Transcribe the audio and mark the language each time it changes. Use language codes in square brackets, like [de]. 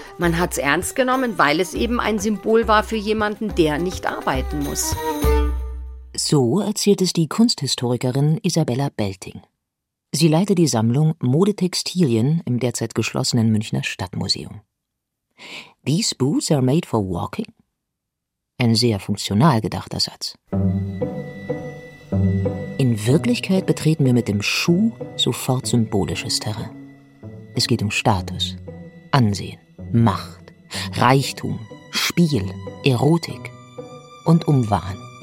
[de] Man hat es ernst genommen, weil es eben ein Symbol war für jemanden, der nicht arbeiten muss. So erzählt es die Kunsthistorikerin Isabella Belting. Sie leitet die Sammlung Modetextilien im derzeit geschlossenen Münchner Stadtmuseum. [en] These boots are made for walking? [de] Ein sehr funktional gedachter Satz. In Wirklichkeit betreten wir mit dem Schuh sofort symbolisches Terrain. Es geht um Status, Ansehen, Macht, Reichtum, Spiel, Erotik und um Wahn.